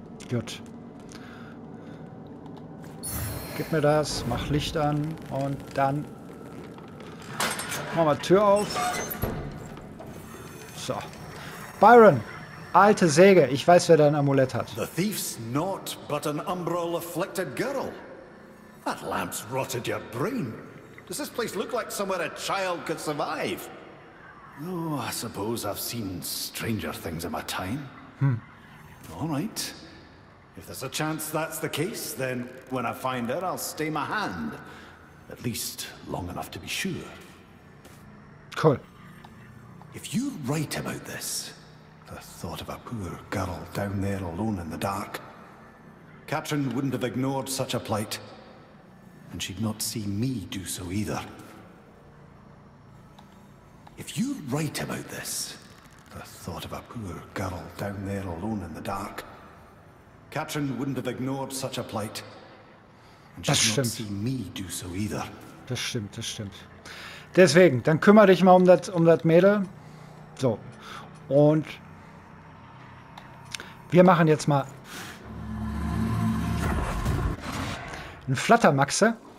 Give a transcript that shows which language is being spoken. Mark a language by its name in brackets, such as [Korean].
[German] Gut. Gib mir das, mach Licht an und dann machen wir Tür auf. So. Byron, alte Säge, ich weiß, wer dein Amulett hat. [English] The thief's not but an umbral afflicted girl. That lamp's rotted your brain. Does this place look like somewhere a child could survive? Oh, I suppose I've seen stranger things in my time. Hm. All right. If there's a chance that's the case, then when I find her, I'll stay my hand. At least long enough to be sure. Cool. If you're right about this, the thought of a poor girl down there alone in the dark, Katrin wouldn't have ignored such a plight. And she'd not see me do so either. If you're right about this, the thought of a poor girl down there alone in the dark, Katrin wouldn't have ignored such a plight. And she not see me do so either. [German] Das stimmt, das stimmt. Deswegen, dann kümmere dich mal um das Mädel. So. Und wir machen jetzt mal ein Flattermaxe.